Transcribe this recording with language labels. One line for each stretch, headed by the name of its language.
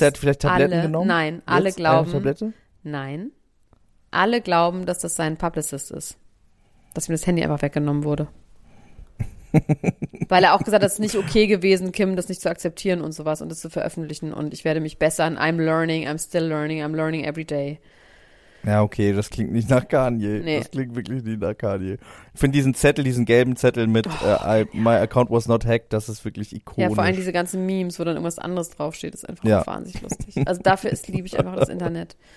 German: Du, er hat vielleicht Tabletten alle, genommen? Nein, jetzt? Alle glauben. Eine Tablette? Nein. Alle glauben, dass das sein Publicist ist. Dass ihm das Handy einfach weggenommen wurde. Weil er auch gesagt hat, es ist nicht okay gewesen, Kim, das nicht zu akzeptieren und sowas und das zu veröffentlichen und ich werde mich bessern.
English: I'm learning, I'm still learning, I'm learning every day.
German: Ja, okay, das klingt nicht nach Kanye. Nee. Das klingt wirklich nicht nach Kanye. Ich finde diesen Zettel, diesen gelben Zettel mit
English: My account was not hacked,
German: das ist wirklich ikonisch. Ja, vor allem diese ganzen Memes, wo dann irgendwas anderes draufsteht, ist einfach ja. wahnsinnig lustig. Also dafür liebe ich einfach das Internet.